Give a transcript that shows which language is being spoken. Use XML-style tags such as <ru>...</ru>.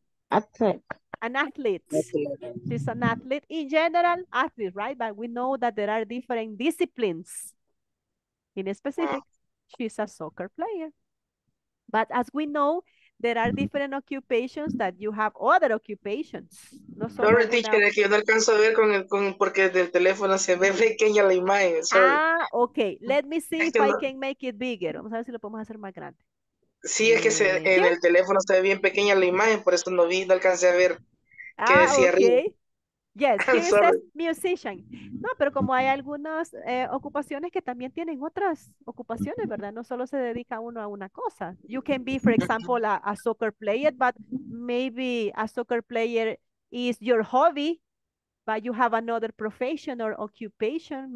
<en>An athlete. She's an athlete. In general, athlete, right? But we know that there are different disciplines. In specific, she's a soccer player. But as we know, there are different occupations that you have other occupations. No, sorry, teacher,</en> <es>es que yo no alcanzo a ver con el, con, porque del teléfono se ve pequeña la imagen.</es> <en>Sorry. Ah, okay. Let me see es if I no... can make it bigger.</en> <es>Vamos a ver si lo podemos hacer más grande. Sí, es que se, en el teléfono se ve bien pequeña la imagen, por eso no vi, no alcancé a ver qué decía arriba.</es> <en>Yes, he is a musician.</en> <es>No, pero como hay algunas ocupaciones que también tienen otras ocupaciones, ¿verdad? No solo se dedica uno a una cosa.</es> <en>You can be, for example, a soccer player, but maybe a soccer player is your hobby, but you have another profession or occupation.</en>